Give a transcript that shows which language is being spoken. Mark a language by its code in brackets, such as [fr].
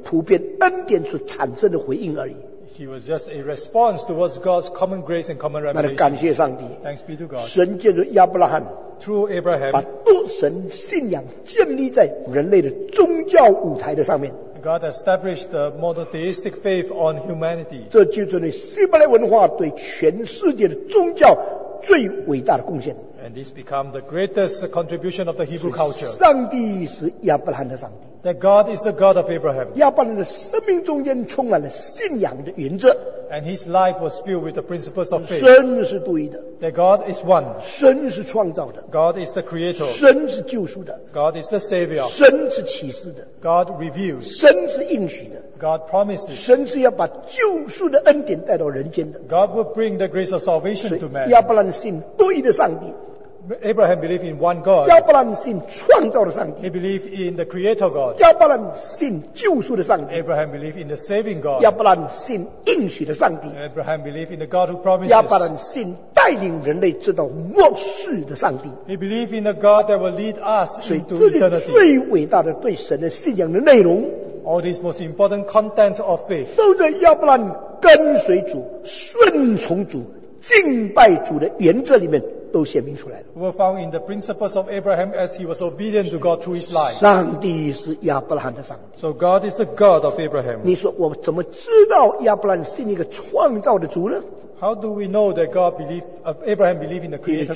[zh] 这不过是人对上帝普遍启示一个普遍恩典所产生的回应而已。 [en] He was just a response towards God's common grace and common revelation. [zh] 那感谢上帝。 [en] Thanks be to God. [zh] 神借着亚伯拉罕。 [en] Through Abraham. [zh] 把多神信仰建立在人类的宗教舞台的上面。 [en] God established the monotheistic faith on humanity. [zh] 这就是希伯来文化对全世界的宗教最伟大的贡献。 [en] And this became the greatest contribution of the Hebrew culture. [zh] 上帝是亚伯拉罕的上帝。 [en] That God is the God of Abraham. [zh] 亚伯拉罕的生命中间充满了信仰的原则。 [en] And his life was filled with the principles of faith. [zh] 神是独一的。 [en] That God is one. [zh] 神是创造的。 [en] God is the creator. [zh] 神是救赎的。 [en] God is the savior. [zh] 神是启示的。 [en] God reveals. [zh] 神是应许的。 [en] God promises. [zh] 神是要把救赎的恩典带到人间的。 [en] God will bring the grace of salvation to man. [zh] 亚伯拉罕信独一的上帝。 [en] Abraham believed in one God. [zh] 亚伯拉罕信创造的上帝。 [en] He believed in the creator God. [zh] 亚伯拉罕信救赎的上帝。 [en] Abraham believed in the saving God. [zh] 亚伯拉罕信应许的上帝。 [en] Abraham believed in the God who promises. [zh] 亚伯拉罕信带领人类知道末世的上帝。 [en] He believed in the God that will lead us into eternity. [zh] 所以这是最伟大的对神的信仰的内容。 [en] All these most important contents of faith. [zh] 都在亚伯拉罕跟随主、顺从主、敬拜主的原则里面。 [en] We found in the principles of Abraham as he was obedient to God through his life. [zh] 上帝是亚伯拉罕的上帝。 [en] So God is the God of Abraham. [zh] 你说我怎么知道亚伯拉罕信一个创造的主呢？ [en] How do we know that God believed, Abraham believed in the Creator God?